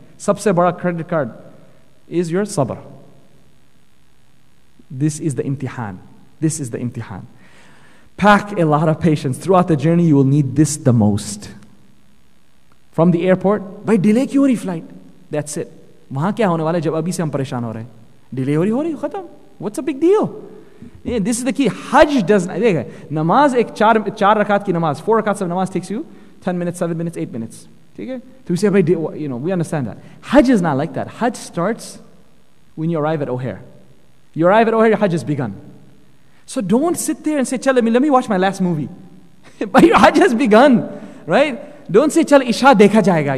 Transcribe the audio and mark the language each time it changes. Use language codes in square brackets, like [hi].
[ur] Sabse bara [en] credit card is your sabar. This is the imtihan. This is the imtihan. Pack a lot of patience. Throughout the journey, you will need this the most. From the airport, by [ur] delay ki hori flight. [en] That's it. [ur] وہاں کیا ہونے والا جب ابھی سے ہم پریشان ہو رہے. Delay ہوری ہوری, ختم. [en] What's a big deal? Yeah, this is the key. Hajj doesn't... [ur] دیکھا, نماز ایک چار رکعت کی نماز. [en] 4 rakats of namaz takes you 10 minutes, 7 minutes, 8 minutes. Okay? To say, by day, you know, we understand that. Hajj is not like that. Hajj starts when you arrive at O'Hare. You arrive at O'Hare, your Hajj has begun. So don't sit there and say, chale, let me watch my last movie. But your Hajj has begun, right? Don't say, chale, [ur] Isha dekha jayega.